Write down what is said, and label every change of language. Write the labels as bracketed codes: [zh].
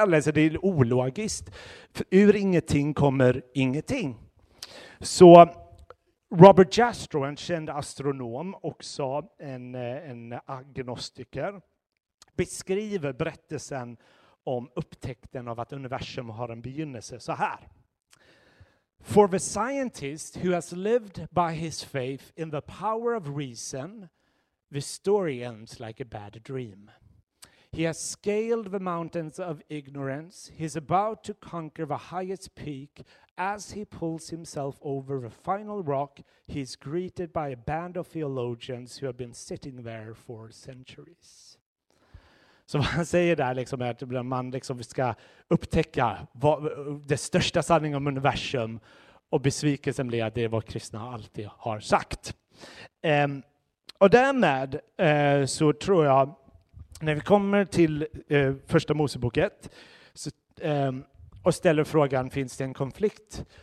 [sv] Alltså det är ologiskt. För ur ingenting kommer ingenting. Så Robert Jastrow, en känd astronom, också en agnostiker, beskriver berättelsen om upptäckten av att universum har en begynnelse så här. [en] "For the scientist who has lived by his faith in the power of reason, the story ends like a bad dream. He has scaled the mountains of ignorance. He is about to conquer the highest peak. As he pulls himself over the final rock, he is greeted by a band of theologians who have been sitting there for centuries." [sv] Så vad han säger där liksom är att man liksom ska upptäcka vad, det största sanningen om universum, och besvikelsen blir att det är vad kristna alltid har sagt. Och därmed så tror jag, när vi kommer till första Mosebok 1 och ställer frågan, finns det en konflikt?